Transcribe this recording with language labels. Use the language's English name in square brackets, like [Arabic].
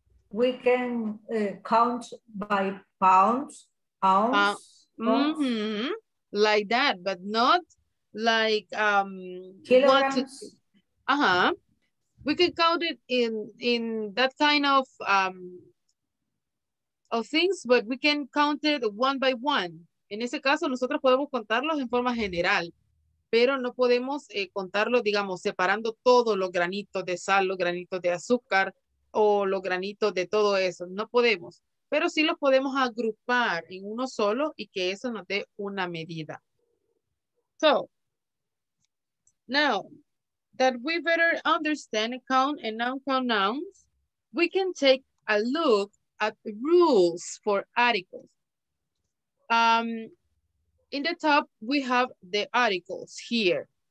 [English] We can count by pounds, ounce, like that, but not like kilograms. We can count it in that kind of things, but we can count it one by one. [Spanish] En ese caso, nosotros podemos contarlos en forma general, pero no podemos contarlo, digamos, separando todos los granitos de sal, los granitos de azúcar, o los granitos de todo eso, no podemos, pero sí los podemos agrupar en uno solo y que eso nos dé una medida. [English] So, now that we better understand count and non-count nouns, we can take a look at rules for articles. In the top, we have the articles here.